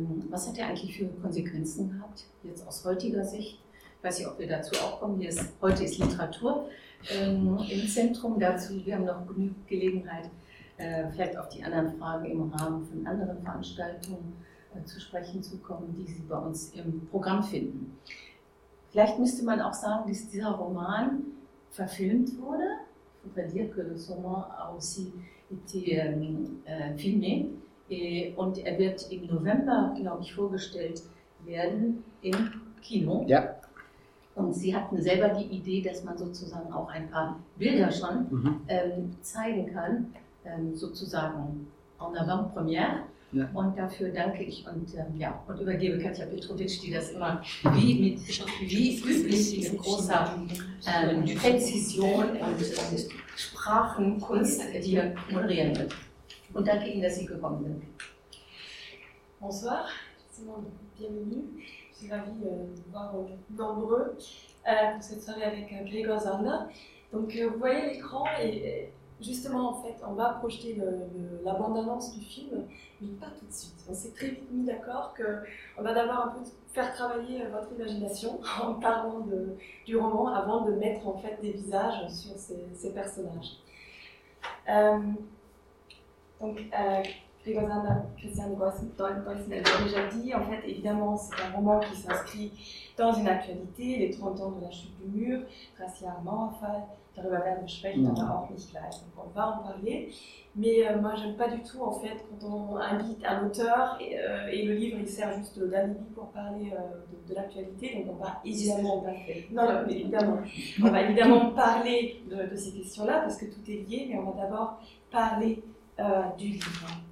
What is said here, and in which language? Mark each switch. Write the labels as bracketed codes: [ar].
[de] was hat er eigentlich für Konsequenzen gehabt, jetzt aus heutiger Sicht, ich weiß nicht, ob wir dazu auch kommen, heute ist Literatur im Zentrum dazu, wir haben noch genügend Gelegenheit, vielleicht auf die anderen Fragen im Rahmen von anderen Veranstaltungen zu sprechen zu kommen, die Sie bei uns im Programm finden. Vielleicht müsste man auch sagen, dass dieser Roman verfilmt wurde. [fr] Je voudrais dire que le roman a aussi été filmé. [de] Und er wird im November, glaube ich, vorgestellt werden im Kino. Ja. Und Sie hatten selber die Idee, dass man sozusagen auch ein paar Bilder schon zeigen kann. Sozusagen [fr] en avant-première. [de] Ja. Und dafür danke ich und übergebe Katja Petrovic, die das immer wie üblich in großer Präzision und Sprachenkunst hier moderieren wird. Und danke Ihnen, dass Sie gekommen sind. [fr] Bonsoir, bienvenue. Je suis ravie de voir nombreux pour cette soirée avec Grégoire Zanda. Donc, vous voyez l'écran et. Justement, en fait, on va projeter la bande-annonce du film, mais pas tout de suite. On s'est très vite mis d'accord qu'on va d'abord un peu faire travailler votre imagination en parlant du roman avant de mettre en fait des visages sur ces personnages. Grégoire Zanda, Christian Boissner l'a déjà dit, en fait, évidemment, c'est un roman qui s'inscrit dans une actualité, les 30 ans de la chute du mur, grâce à Mauerfall. [de] Darüber werden wir sprechen, aber auch nicht gleich. [fr] Donc, on va en parler. Mais moi, j'aime pas du tout, en fait, quand on invite un auteur et le livre, il sert juste d'alibi pour parler de l'actualité. Donc, on va évidemment pas faire. On va évidemment parler de ces questions-là parce que tout est lié, mais on va d'abord parler du livre.